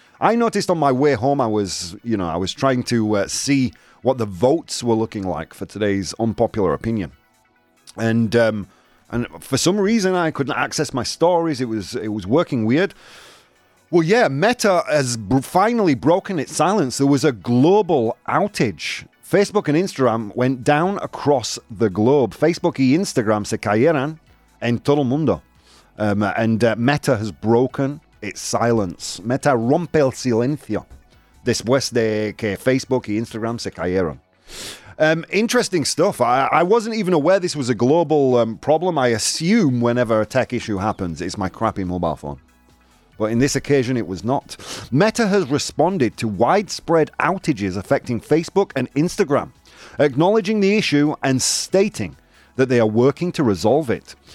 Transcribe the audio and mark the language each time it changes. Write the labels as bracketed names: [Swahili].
[English] I noticed on my way home, I was, you know, I was trying to see what the votes were looking like for today's unpopular opinion. And for some reason, I couldn't access my stories. It was working weird. Well, yeah, Meta has finally broken its silence. There was a global outage. Facebook and Instagram went down across the globe. [Spanish] Facebook y Instagram se cayeron en todo el mundo. [English] Meta has broken its silence. [Spanish] Meta rompe el silencio después de que Facebook y Instagram se cayeron. [English] Interesting stuff. I wasn't even aware this was a global problem. I assume whenever a tech issue happens, it's my crappy mobile phone. But in this occasion, it was not. Meta has responded to widespread outages affecting Facebook and Instagram, acknowledging the issue and stating that they are working to resolve it.